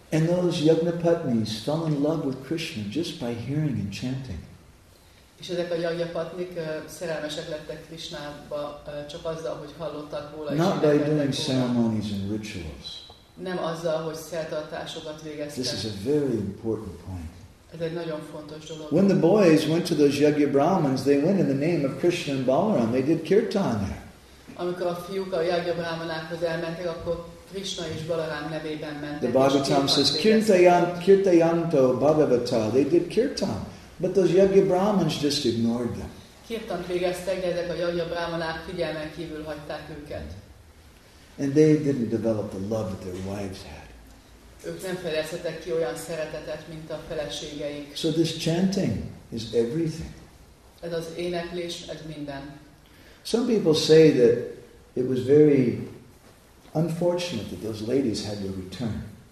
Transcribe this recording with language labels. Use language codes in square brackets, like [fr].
[en] And those yajnapatnis fell in love with Krishna just by hearing and chanting. [hu] És ezek a yajnapatnik szerelmesek lettek Krishnába csak azzal, hogy hallottak róla. [en] Not by doing ceremonies and rituals. [hu] Nem azzal, hogy szertartásokat végeztek. [en] This is a very important point. [hu] Ez egy nagyon fontos dolog. [en] When the boys went to those Yajna Brahmins, they went in the name of Krishna and Balaram. They did kirtan there. [hu] Amikor a fiúk a Yajna Brahmanákhoz elmentek, akkor Krishna és Balaram nevében mentek. [en] The Bhagavatam says, [sa] kirtayanto bhagavata. [en] They did kirtan. But those Yajna Brahmins just ignored them. [hu] Kirtan végeztek, de ezek a Yajna Brahmanák figyelmen kívül hagyták őket. [en] And they didn't develop the love that their wives had. [hu] Ők nem fejlesztettek ki olyan szeretetet, mint a feleségeik. [en] So this chanting is everything. [hu] Ez az éneklés, ez minden. [en] Some people say that it was very unfortunate that those ladies had to return.